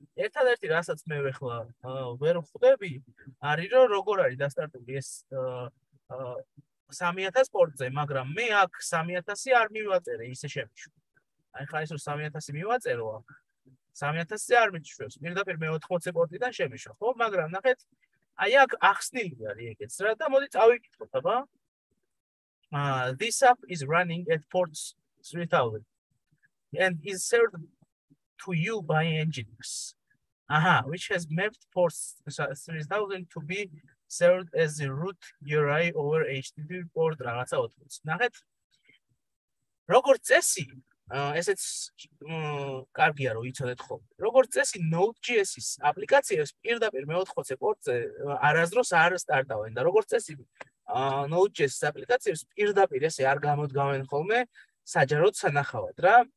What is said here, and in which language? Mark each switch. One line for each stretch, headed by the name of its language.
Georgian: ერთადერთი რასაც მე ახლა ვერ ხვდები, არის რომ როგორ არის დასტარტული ეს 3000 პორტზე, მაგრამ მე აქ 3000 არ მივაწერე, ისე შემიშვი. აი ხა ეს 3000 მივაწერო აქ. 3000 არ მიჩვენოს. პირდაპირ მე 80 პორტიდან შემიშვა, ხო? მაგრამ ნახეთ, აი აქ ახსნილი არის ეგეც რა და მოდი წავიკითხოთ, აბა.
English: This app is running at ports 3000 and is served to you by Nginx. Aha, which has mapped ports 3000 to be served as the root URI over HTTP port
Georgian: რაღაცა
English: 80.
Georgian: ნახეთ. როგორც წესი, ესეც კარგია რომ იცოდეთ ხო. როგორც წესი Node.js-ის აპლიკაციებს პირდაპირ მე 80-ე პორტზე არასდროს არ სტარტავენ და როგორც წესი Node.js-ის აპლიკაციებს პირდაპირ ესე არ გამოდგავენ ხოლმე საჯაროდ სანახავად რა.